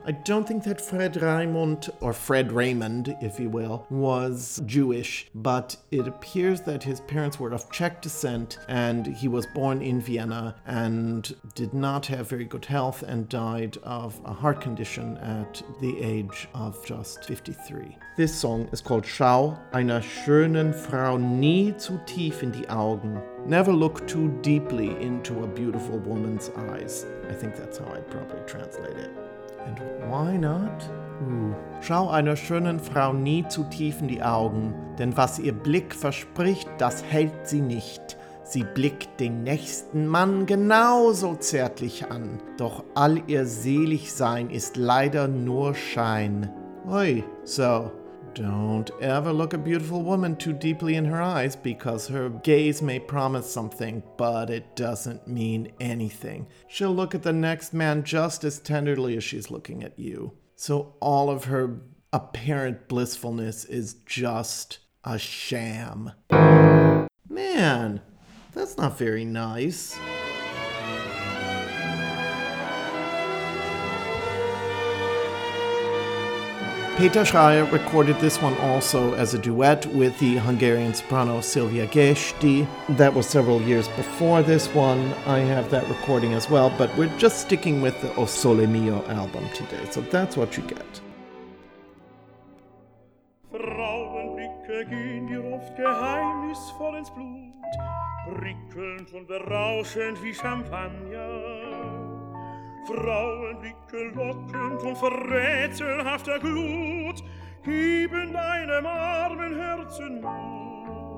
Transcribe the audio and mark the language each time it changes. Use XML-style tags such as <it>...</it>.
<en>I don't think that Fred Raymond, if you will, was Jewish, but it appears that his parents were of Czech descent and he was born in Vienna and did not have very good health and died of a heart condition at the age of just 53. This song is called Schau einer schönen Frau nie zu tief in die Augen. Never look too deeply into a beautiful woman's eyes. I think that's how I'd probably translate it. And why not?</en> <de>Schau einer schönen Frau nie zu tief in die Augen, denn was ihr Blick verspricht, das hält sie nicht. Sie blickt den nächsten Mann genauso zärtlich an, doch all ihr Seligsein ist leider nur Schein. Oi, so.</de> <en>Don't ever look a beautiful woman too deeply in her eyes, because her gaze may promise something, but it doesn't mean anything. She'll look at the next man just as tenderly as she's looking at you. So all of her apparent blissfulness is just a sham. Man, that's not very nice. Peter Schreier recorded this one also as a duet with the Hungarian soprano Silvia Gesti. That was several years before this one. I have that recording as well, but we're just sticking with the O Sole Mio album today, so that's what you get.</en> <de>Frauenblicke gehen dir oft geheimnisvoll ins Blut, prickelnd und berauschend wie Champagner. Frauenblicke lockend von verrätselhafter Glut geben deinem armen Herzen Mut.</de>